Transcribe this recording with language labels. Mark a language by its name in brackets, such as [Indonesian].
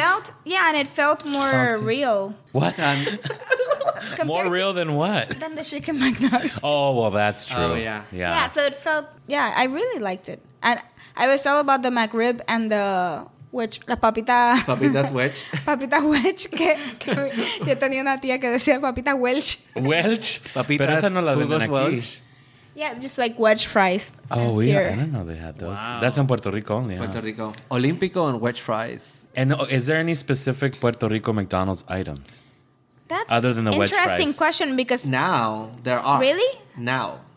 [English] It felt more salty. Real. What? More real than what? Than the chicken McNugget. Oh, well, that's true. Oh, yeah. Yeah. Yeah, so it felt... Yeah, I really liked it. And I was all about the McRib and the witch, [Spanish] la papita. [English] Papita's witch. Papita Welch. [Spanish] Yo tenía una tía que decía papita Welch. [English] Welch? [Spanish] Papita. Pero esa no la venden aquí. [English] Welch. Yeah, just like wedge fries. Oh, yeah. Here. I didn't know they had those. Wow. That's in Puerto Rico only. Puerto Rico. Olympico and wedge fries. And is there any specific Puerto Rico McDonald's items? That's other than the wedge fries. Interesting question because. Now there are. Really? Now.